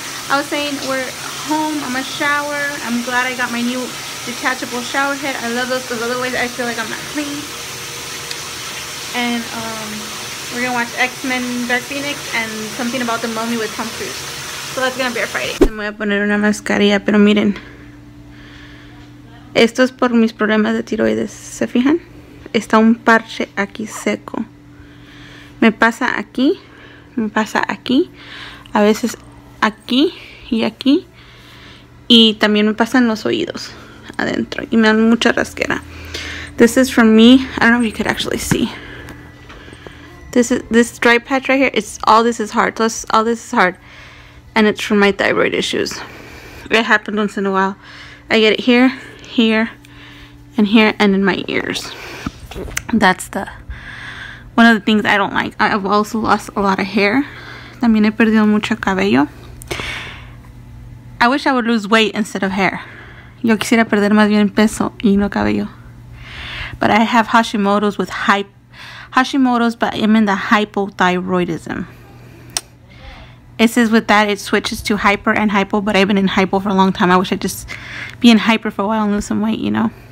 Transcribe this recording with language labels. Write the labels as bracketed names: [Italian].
[English] I was saying we're home, I'm a shower. I'm glad I got my new detachable shower head. I love those because otherwise I feel like I'm not clean. And, we're gonna watch X-Men Dark Phoenix and something about the mummy with Tom Cruise. So that's gonna be our Friday. [Spanish] Me voy a poner una mascarilla, pero miren. Esto es por mis problemas de tiroides. ¿Se fijan? Está un parche aquí seco. Me pasa aquí. Me pasa aquí. A veces aquí y aquí. Y también me pasa en los oídos adentro. Y me dan mucha rasquera. [English] This is from me. I don't know if you could actually see. This dry patch right here, it's all this is hard. All this is hard. And it's from my thyroid issues. It happened once in a while. I get it here, here, and here, and in my ears. That's the one of the things I don't like. I've also lost a lot of hair. [Spanish] También he perdido mucho cabello. [English] I wish I would lose weight instead of hair. [Spanish] Yo quisiera perder más bien peso y no cabello. [English] But I have Hashimoto's with Hashimoto's, but I'm in the hypothyroidism. It says with that, it switches to hyper and hypo, but I've been in hypo for a long time. I wish I'd just be in hyper for a while and lose some weight, you know?